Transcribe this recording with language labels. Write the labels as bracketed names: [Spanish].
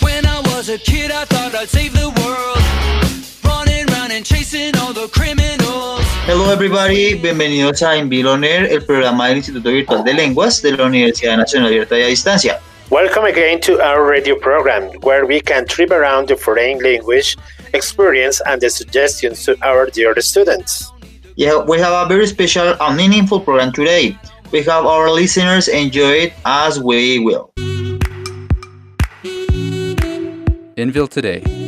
[English] When I was a kid, I thought I'd save the world. Running around and chasing all the criminals. Hello, everybody. [Spanish] Bienvenidos a In Billionaire, el programa del Instituto Virtual de Lenguas de la Universidad Nacional Abierta y a Distancia. [English] Welcome again to our radio program, where we can trip around the foreign language experience and the suggestions to our dear students. Yeah, we have a very special and meaningful program today. We hope our listeners enjoy it as we will. Inville Today.